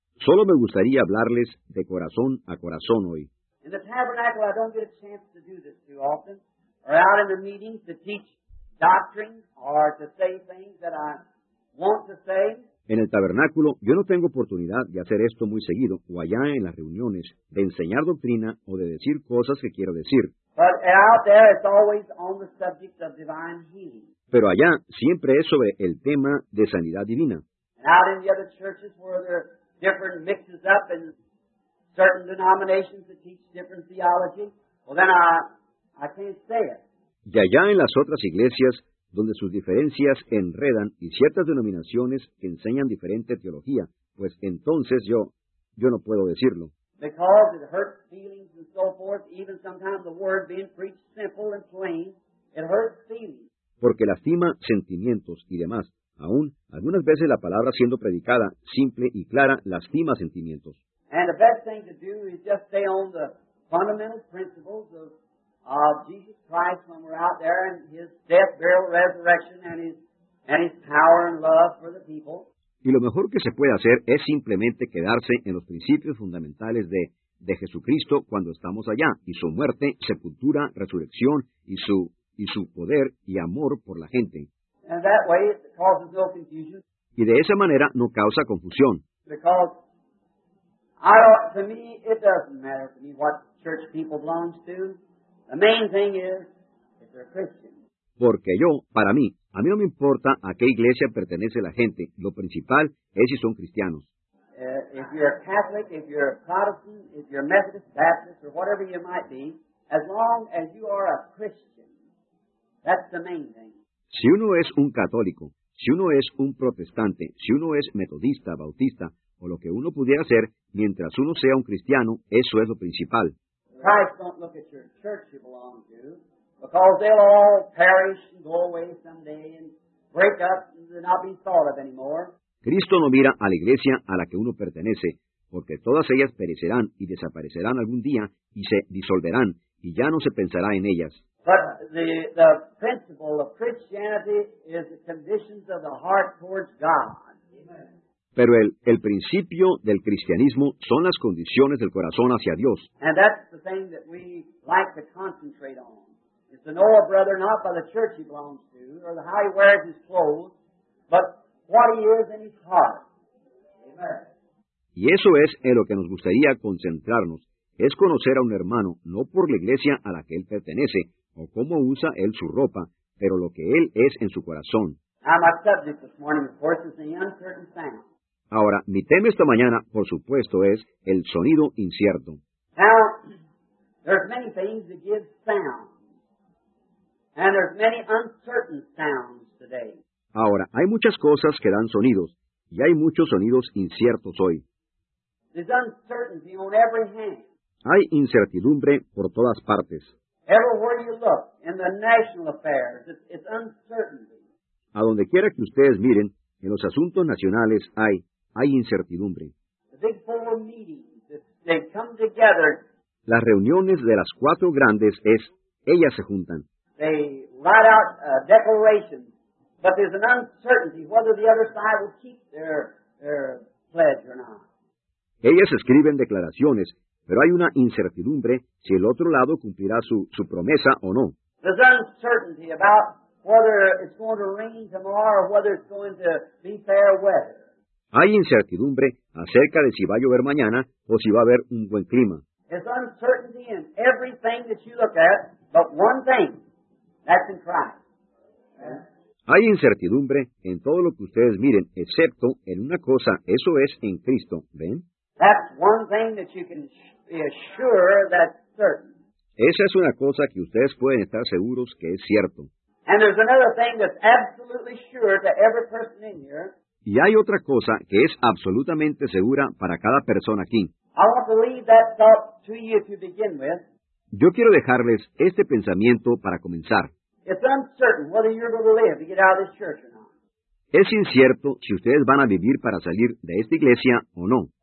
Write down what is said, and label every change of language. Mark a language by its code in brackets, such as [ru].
[es] Solo me gustaría hablarles de corazón a corazón hoy. [en] In the tabernacle, I don't get a chance to do this too often, or out in the meetings to teach doctrine or to say things that I want to say. [es] En el tabernáculo, yo no tengo oportunidad de hacer esto muy seguido, o allá en las reuniones, de enseñar doctrina o de decir cosas que quiero decir. [en] But out there, it's always on the subject of divine healing. [es] Pero allá, siempre es sobre el tema de sanidad divina. [en] And out in the other churches where there are different mixes up and certain denominations that teach different theology, well then I can't say it. [es] Y allá en las otras iglesias, donde sus diferencias enredan y ciertas denominaciones que enseñan diferente teología, pues entonces yo no puedo decirlo. [en] Because it hurts feelings and so forth, even sometimes the word being preached simple and plain, it hurts feelings. [es] Porque lastima sentimientos y demás. Aún, algunas veces la palabra siendo predicada simple y clara lastima sentimientos. [en] And the best thing to do is just stay on the fundamental principles of Jesus Christ when we're out there and his death, burial, resurrection and his power and love for the people. [es] Y lo mejor que se puede hacer es simplemente quedarse en los principios fundamentales de Jesucristo cuando estamos allá y su muerte, sepultura, resurrección y su poder y amor por la gente. [en] And that way it causes no confusion. [es] Y de esa manera no causa confusión. [en] Because to me it doesn't matter to me what church people belongs to. The main thing is if they're Christian. [es] Porque para mí no me importa a qué iglesia pertenece la gente. Lo principal es si son cristianos. [en] If you're a Catholic, if you're a Protestant, if you're a Methodist, Baptist, or whatever you might be, as long as you are a Christian, that's the main thing. [es] Si uno es un católico, si uno es un protestante, si uno es metodista, bautista, o lo que uno pudiera ser, mientras uno sea un cristiano, eso es lo principal. [en] Christ don't look at your church you belong to, because they'll all perish and go away someday and break up and not be thought of anymore. [es] Cristo no mira a la iglesia a la que uno pertenece, porque todas ellas perecerán y desaparecerán algún día y se disolverán y ya no se pensará en ellas. [en] But the principle of Christianity is the conditions of the heart towards God. [es] Pero el principio del cristianismo son las condiciones del corazón hacia Dios. [en] And that's the thing that we like to concentrate on. It's to know a brother not by the church he belongs to, or the how he wears his clothes, but what he is in his heart. Amen. [es] Y eso es en lo que nos gustaría concentrarnos. Es conocer a un hermano, no por la iglesia a la que él pertenece, o cómo usa él su ropa, pero lo que él es en su corazón. [en] Now my subject this morning, of course, is the uncertain sound. [es] Ahora, mi tema esta mañana, por supuesto, es el sonido incierto. [en] Now, there's many things that give sound. And there's many uncertain sounds today. [es] Ahora, hay muchas cosas que dan sonidos, y hay muchos sonidos inciertos hoy. [en] There's uncertainty on every hand. [es] Hay incertidumbre por todas partes. [en] Everywhere you look, in the national affairs, it's uncertainty. [es] A donde quiera que ustedes miren, en los asuntos nacionales hay incertidumbre. [en] The big four meetings, they come together. [es] Las reuniones de las cuatro grandes ellas se juntan. [en] They write out a declaration, but there's an uncertainty whether the other side will keep their pledge or not. [es] Ellas escriben declaraciones, pero hay una incertidumbre si el otro lado cumplirá su promesa o no. [en] There's uncertainty about whether it's going to rain tomorrow or whether it's going to be fair weather. [es] Hay incertidumbre acerca de si va a llover mañana o si va a haber un buen clima. [en] There's uncertainty in everything that you look at, but one thing, that's in Christ. [es] Hay incertidumbre en todo lo que ustedes miren, excepto en una cosa, eso es en Cristo, ¿ven? [en] That's one thing that you can be sure that's certain. [es] Esa es una cosa que ustedes pueden estar seguros que es cierto. [en] And there's another thing that's absolutely sure to every person in here. [es] Y hay otra cosa que es absolutamente segura para cada persona aquí. [en] I want to leave that thought to you to begin with. [es] Yo quiero dejarles este pensamiento para comenzar. [en] It's uncertain whether you're going to live to get out of this church or not. [es] Es incierto si ustedes van a vivir para salir de esta iglesia o no.